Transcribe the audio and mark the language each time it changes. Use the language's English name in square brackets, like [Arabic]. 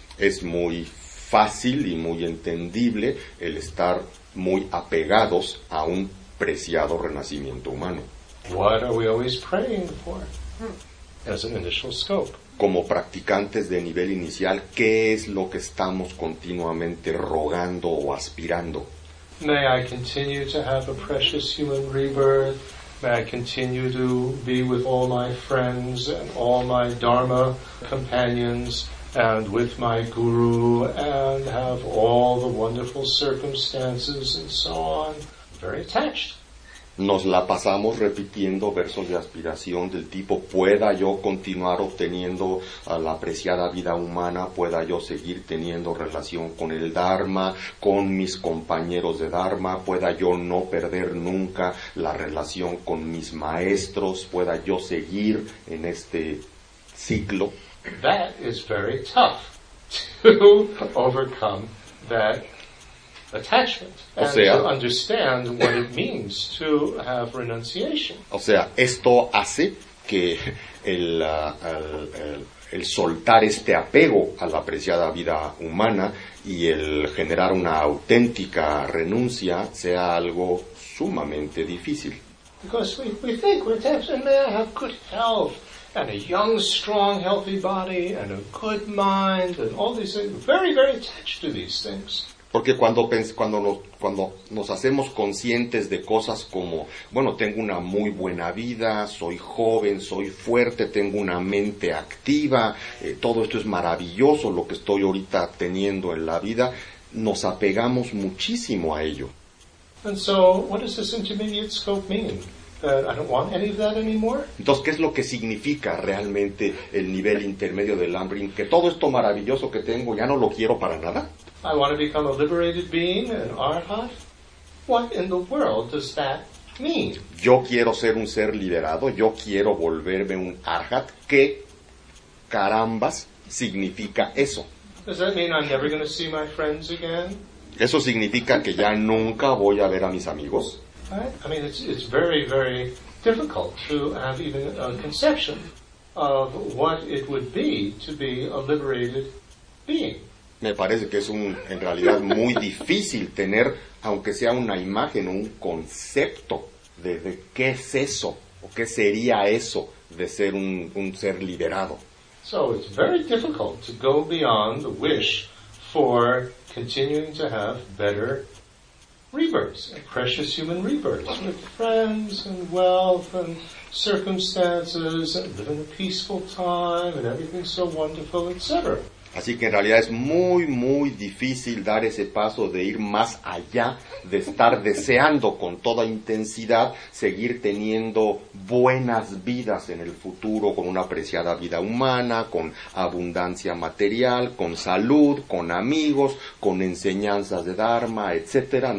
[Spanish] Es muy fácil y muy entendible el estar muy apegados a un preciado renacimiento humano. [English] What are we always praying for? As an initial scope. [Spanish] Como practicantes de nivel inicial, ¿qué es lo que estamos continuamente rogando o aspirando? [English] May I continue to have a precious human rebirth. May I continue to be with all my friends and all my dharma companions, and with my guru, and have all the wonderful circumstances, and so on. Very attached. [Spanish] Nos la pasamos repitiendo versos de aspiración del tipo, pueda yo continuar obteniendo la apreciada vida humana, pueda yo seguir teniendo relación con el Dharma, con mis compañeros de Dharma, pueda yo no perder nunca la relación con mis maestros, pueda yo seguir en este ciclo. [English] That is very tough to overcome that attachment and to understand what it means to have renunciation. [Spanish] O sea, esto hace que el soltar este apego a la apreciada vida humana y el generar una auténtica renuncia sea algo sumamente difícil. [English] Because we think we're attached, and may I have good health, and a young, strong, healthy body, and a good mind, and all these things. Very, very attached to these things. [Spanish] Porque cuando nos hacemos conscientes de cosas como, bueno, tengo una muy buena vida, soy joven, soy fuerte, tengo una mente activa, todo esto es maravilloso lo que estoy ahorita teniendo en la vida, nos apegamos muchísimo a ello. [English] And so, what does this intermediate scope mean? I don't want any of that anymore. [Spanish] Entonces, ¿qué es lo que significa realmente el nivel intermedio del lam-rim? Que todo esto maravilloso que tengo ya no lo quiero para nada. [English] I want to become a liberated being, an arhat. What in the world does that mean? [Spanish] Yo quiero ser un ser liberado. Yo quiero volverme un arhat. ¿Qué carambas significa eso? [English] Does that mean I'm never going to see my friends again? [Spanish] Eso significa que ya nunca voy a ver a mis amigos. [English] Right? I mean, it's very, very difficult to have even a conception of what it would be to be a liberated being. [Spanish] Me parece que es en realidad muy difícil tener, aunque sea una imagen, un concepto de qué es eso, o qué sería eso de ser un ser liberado. [English] So it's very difficult to go beyond the wish for continuing to have better rebirths, precious human rebirths, with friends and wealth and circumstances, and living a peaceful time and everything so wonderful, etc. [Spanish] Así que en realidad es muy, muy difícil dar ese paso de ir más allá, de estar deseando con toda intensidad seguir teniendo buenas vidas en el futuro, con una apreciada vida humana, con abundancia material, con salud, con amigos, con enseñanzas de Dharma, etcétera.